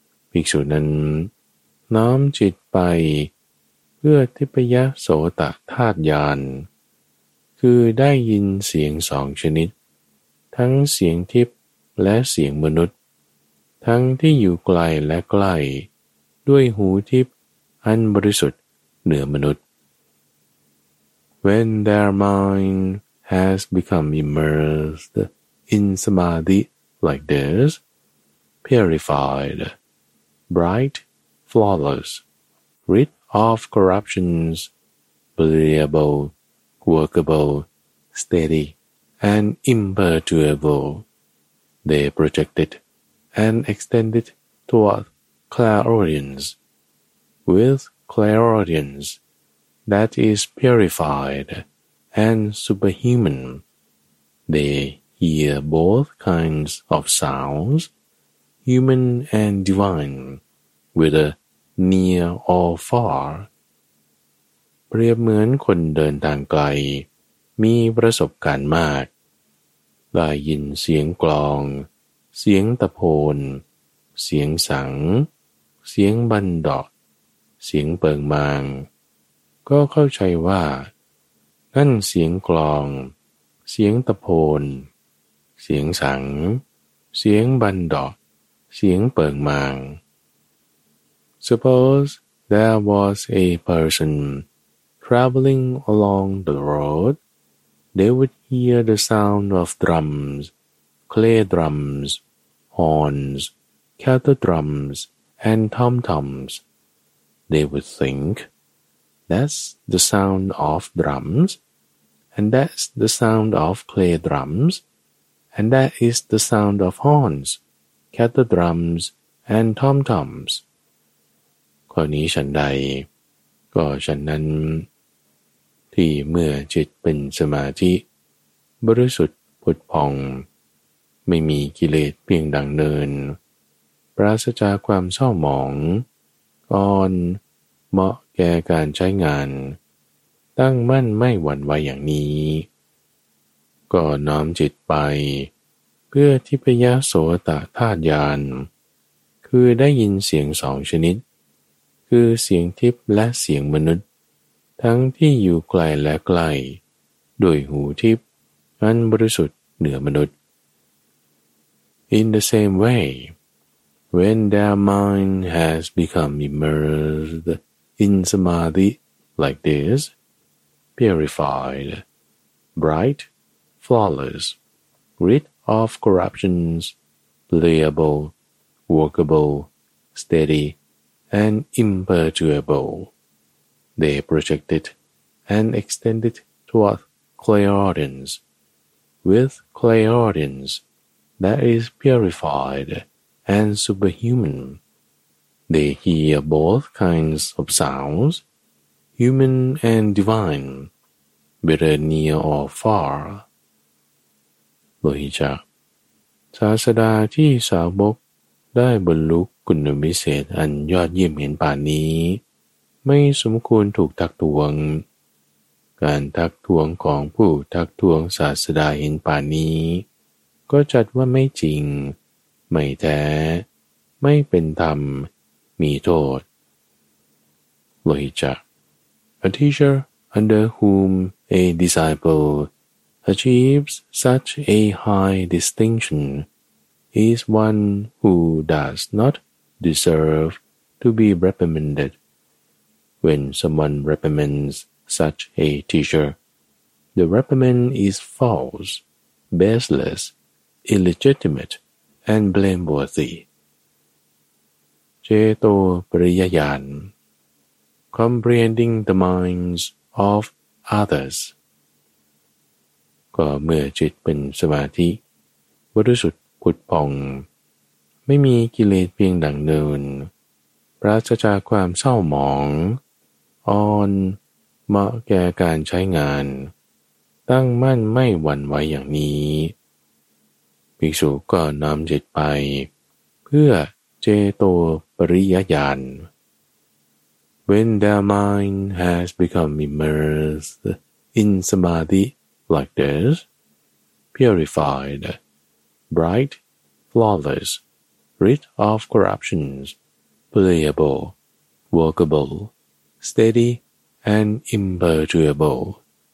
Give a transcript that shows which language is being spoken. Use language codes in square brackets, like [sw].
[th] ภิกษุนั้นน้อมจิตไปเพื่อทิพยโสตธาตุญาณคือได้ยินเสียงสองชนิดทั้งเสียงทิพและเสียงมนุษย์ทั้งที่อยู่ไกลและใกล้ด้วยหูทิพอันบริสุทธิ์เหนือมนุษย์ [en] When their mind has become immersed in samadhi like this, purified, bright, flawless, rich. Of corruptions, playable, workable, steady, and imperturbable, they projected and extended toward clairaudience. With clairaudience, that is purified and superhuman, they hear both kinds of sounds, human and divine, with a near or far [th] เปรียบเหมือนคนเดินทางไกลมีประสบการณ์มากได้ยินเสียงกลองเสียงตะโพนเสียงสังเสียงบันดอกเสียงเปิงมางก็เข้าใจว่านั่นเสียงกลองเสียงตะโพนเสียงสังเสียงบันดอกเสียงเปิงมาง [en] Suppose there was a person traveling along the road. They would hear the sound of drums, clay drums, horns, kettle drums, and tom-toms. They would think, that's the sound of drums, and that's the sound of clay drums, and that is the sound of horns, kettle drums, and tom-toms. [th] ข้อนี้ฉันใดก็ฉันนั้นที่เมื่อจิตเป็นสมาธิบริสุทธิ์ผุดผ่องไม่มีกิเลสเพียงดังเนินปราศจากความเศร้าหมองก่อนเหมาะแก่การใช้งานตั้งมั่นไม่หวั่นไหวอย่างนี้ ก็น้อมจิตไปเพื่อทิพยโสตธาตุญาณคือได้ยินเสียงสองชนิดคือเสียงทิพและเสียงมนุษย์ทั้งที่อยู่ไกลและใกล้ด้วยหูทิพอันบริสุทธิ์เหนือมนุษย์ [en] In the same way, when their mind has become immersed in samadhi like this, purified, bright, flawless, rid of corruptions, playable, workable, steady,and imperturbable, they projected and extended toward clairaudience. With clairaudience that is purified and superhuman, they hear both kinds of sounds, human and divine, whether near or far. [th] Lohicca, ศาสดาที่สาวกได้บรรลุคุณวิเศษอันยอดเยี่ยมเห็นป่านนี้ไม่สมควรถูกทักท้วงการทักท้วงของผู้ทักท้วงศาสดาเห็นป่านนี้ก็จัดว่าไม่จริงไม่แท้ไม่เป็นธรรมมีโทษ [en] Lohicca, a teacher under whom a disciple achieves such a high distinctionis one who does not deserve to be reprimanded. When someone reprimands such a teacher, the reprimand is false, baseless, illegitimate, and blameworthy. Ceto Priyayan, comprehending the minds of others. [th] ก็เมื่อจิตเป็นสมาธิบริสุทธิ์ผุดผ่องไม่มีกิเลสเพียงดังเนินปราศจากความเศร้าหมองอ่อนเหมาะแก่การใช้งานตั้งมั่นไม่หวั่นไหวอย่างนี้ภิกษุก็น้อมจิตไปเพื่อเจโตปริยญาณ [en] When their mind has become immersed in samadhi like this, purifiedBright, flawless, rid of corruptions, playable, workable, steady, and imperturbable.